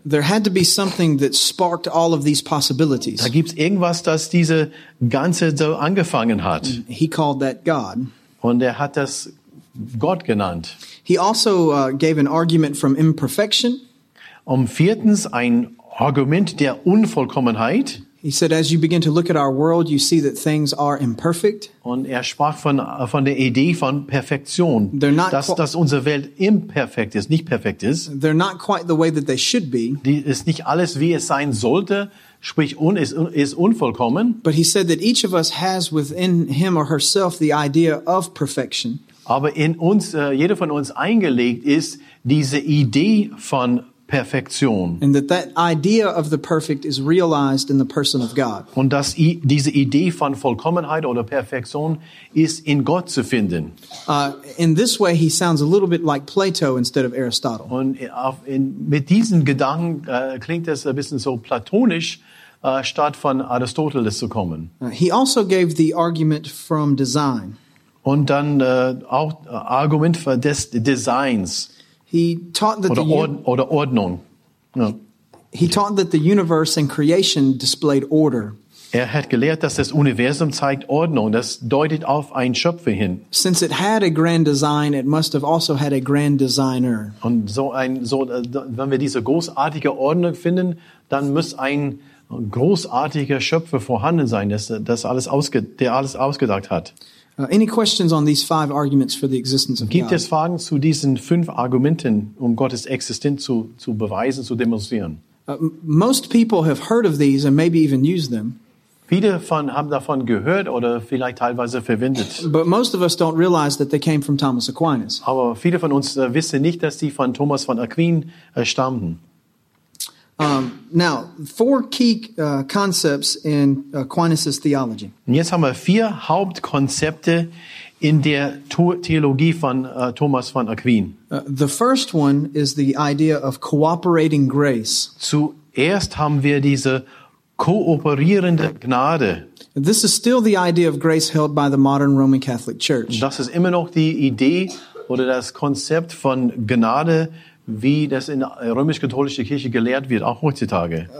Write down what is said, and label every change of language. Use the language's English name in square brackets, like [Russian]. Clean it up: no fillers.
[English] There had to be something that sparked all of these possibilities. [German] Da gibt's irgendwas, das diese ganze so angefangen hat. [English] He called that God. [German] Und er hat das Gott genannt. [English] He also gave an argument from imperfection. [German] Und viertens ein Argument der Unvollkommenheit. [English] He said, as you begin to look at our world, you see that things are imperfect. [German] Und er sprach von der Idee von Perfektion. [English] They're not [German] dass unsere Welt imperfekt ist, nicht perfekt ist. [English] They're not quite the way that they should be. [German] Die ist nicht alles, wie es sein sollte, sprich ist unvollkommen. [English] But he said that each of us has within him or herself the idea of perfection. [German] Aber in uns, jeder von uns eingelegt ist diese Idee von Perfektion. [English] And that idea of the perfect is realized in the person of God. [German] Und dass diese Idee von Vollkommenheit oder Perfektion ist in Gott zu finden. [English] In this way, he sounds a little bit like Plato instead of Aristotle. [German] Und mit diesen Gedanken klingt es ein bisschen so platonisch, statt von Aristoteles zu kommen. [English] He also gave the argument from design. [German] Und dann auch Argument für des Designs. [English] He taught that [German] Ordnung. [English] No. He taught that the universe and creation displayed order. [German] Er hat gelehrt, dass das Universum zeigt Ordnung. Das deutet auf einen Schöpfer hin. [English] Since it had a grand design, it must have also had a grand designer. [German] Und wenn wir diese großartige Ordnung finden, dann muss ein großartiger Schöpfer vorhanden sein, der alles ausgedacht hat. [English] Any questions on these five arguments for the existence of God? [German] Gibt es Fragen zu diesen fünf Argumenten, Gottes Existenz zu beweisen, zu demonstrieren? [English] Most people have heard of these and maybe even use them. [German] Viele haben davon gehört oder vielleicht teilweise verwendet. [English] But most of us don't realize that they came from Thomas Aquinas. [German] Aber viele von uns wissen nicht, dass sie von Thomas von Aquin stammten. [English] Now, four key concepts in Aquinas' theology. [German] Und jetzt haben wir vier Hauptkonzepte in der Theologie von Thomas von Aquin. [English] The first one is the idea of cooperating grace. [German] Zuerst haben wir diese kooperierende Gnade. [English] This is still the idea of grace held by the modern Roman Catholic Church. [German] Das ist immer noch die Idee oder das Konzept von Gnade, wie das in der römisch-katholischen Kirche gelehrt wird, auch heutzutage.